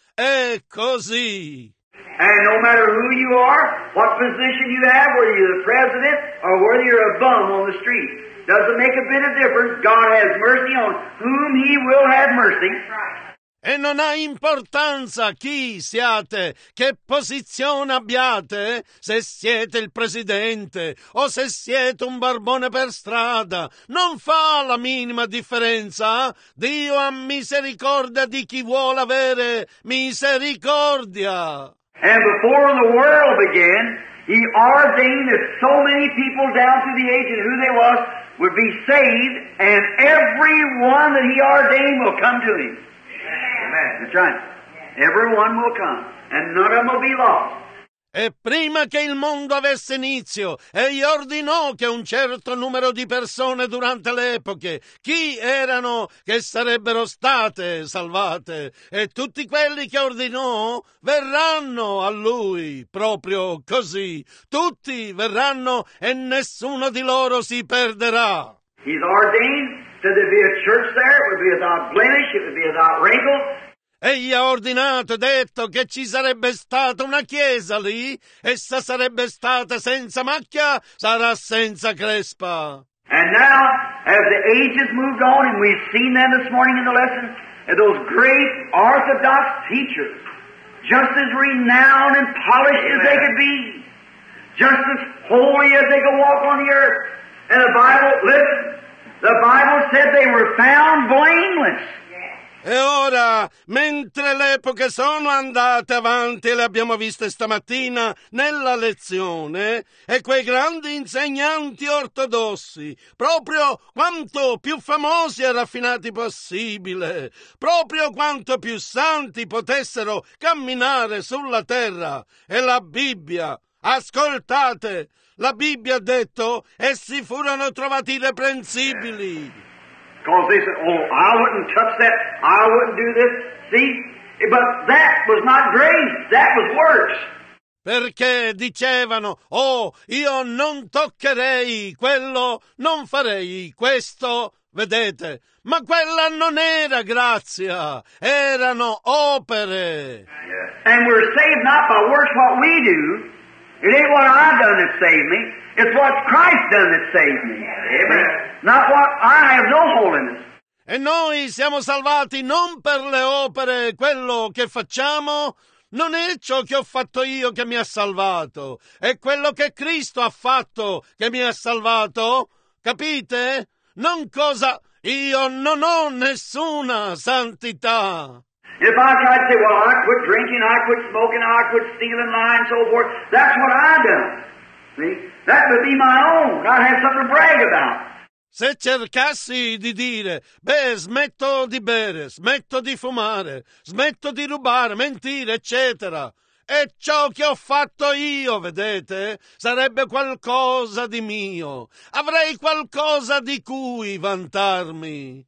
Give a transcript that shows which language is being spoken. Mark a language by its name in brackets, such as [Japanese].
[Italian] È così. [English] And no matter who you are, what position you have, whether you're the president or whether you're a bum on the street, doesn't make a bit of difference. God has mercy on whom he will have mercy. [Italian] E non ha importanza chi siate, che posizione abbiate, se siete il presidente o se siete un barbone per strada. Non fa la minima differenza. Dio ha misericordia di chi vuole avere misericordia. [English] And before the world began, he ordained that so many people down through the ages who they was would be saved, and every one that he ordained will come to him. That's right. Everyone will come, and none of them will be lost. [Italian] E prima che il mondo avesse inizio, egli ordinò che un certo numero di persone durante le epoche, chi erano che sarebbero state salvate, e tutti quelli che ordinò verranno a lui, proprio così. Tutti verranno e nessuno di loro si perderà. [English] He's ordained that there be a church there, it would be without blemish, it would be without wrinkle. [Italian] Egli ha ordinato e detto che ci sarebbe stata una chiesa lì, essa sarebbe stata senza macchia, sarà senza crespa. [English] And now, as the ages moved on, and we've seen them this morning in the lesson, those great orthodox teachers, just as renowned and polished Amen. As they could be, just as holy as they could walk on the earth, and the Bible, listen, the Bible said they were found blameless. [Italian] E ora, mentre le epoche sono andate avanti, le abbiamo viste stamattina nella lezione, e quei grandi insegnanti ortodossi, proprio quanto più famosi e raffinati possibile, proprio quanto più santi potessero camminare sulla terra, e la Bibbia, ascoltate, la Bibbia ha detto, essi furono trovati irreprensibili. [English] Because they said, oh, I wouldn't touch that, I wouldn't do this. See? But that was not grace, that was works. [Italian] perché dicevano: oh, io non toccherei quello, non farei questo, vedete? Ma quella non era grazia, erano opere. [English] And we're saved not by works what we do. It ain't what I've done that saved me. It's what Christ done that saved me. Amen. Not what I have no holiness. [Italian] E noi siamo salvati non per le opere, quello che facciamo. Non è ciò che ho fatto io che mi ha salvato, è quello che Cristo ha fatto che mi ha salvato, capite? Non cosa io non ho nessuna santità. [English] If I try to say, well, I quit drinking, I quit smoking, I quit stealing, lying, so forth, that's what I've done. See? That would be my own. I have something to brag about. [Italian] Se cercassi di dire, beh, smetto di bere, smetto di fumare, smetto di rubare, mentire, eccetera, e ciò che ho fatto io, vedete, sarebbe qualcosa di mio. Avrei qualcosa di cui vantarmi.